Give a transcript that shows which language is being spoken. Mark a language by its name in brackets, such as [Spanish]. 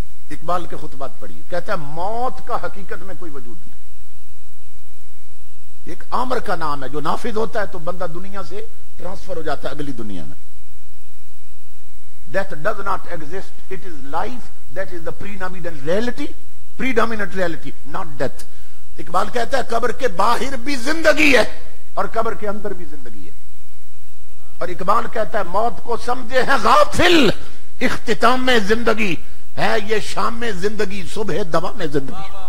[Urdu] اقبال کے خطبات پڑھیے، کہتا ہے موت کا حقیقت میں کوئی وجود نہیں. ایک امر کا نام ہے جو نافذ ہوتا ہے تو بندہ دنیا سے ٹرانسفر ہو جاتا ہے اگلی دنیا میں. [English] Death does not exist, it is life that is the predominant reality, predominant reality, not death. [Urdu] Iqbal کہتا ہے قبر کے باہر بھی زندگی ہے اور قبر کے اندر بھی زندگی ہے. اور اقبال کہتا ہے موت کو سمجھے ہیں غافل، اختتام میں زندگی ہے، یہ شام میں زندگی، صبح دوا میں زندگی.